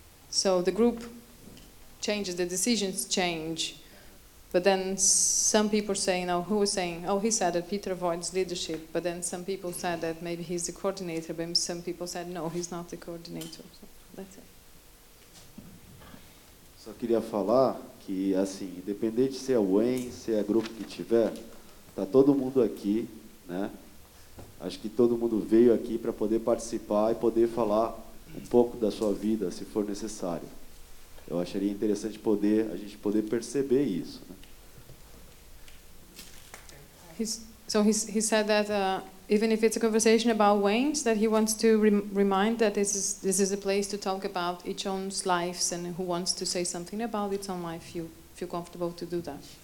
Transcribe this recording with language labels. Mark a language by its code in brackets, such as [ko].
[en] So the group changes, the decisions change. But then some people say, you know, who was saying, oh, he said that Peter avoids leadership, but then some people said that maybe he's the coordinator, but some people said, no, he's not the coordinator. So that's it. [pt] Só queria falar que, assim, independente se é o WEM, se é o grupo que tiver, está todo mundo aqui, né? Acho que todo mundo veio aqui para poder participar e poder falar um pouco da sua vida, se for necessário. Eu acharia interessante poder a gente poder perceber isso. Né? [en] So he said that even if it's a conversation about Wayne's, that he wants to remind that this is a place to talk about each own's lives and who wants to say something about its own life, you feel comfortable to do that.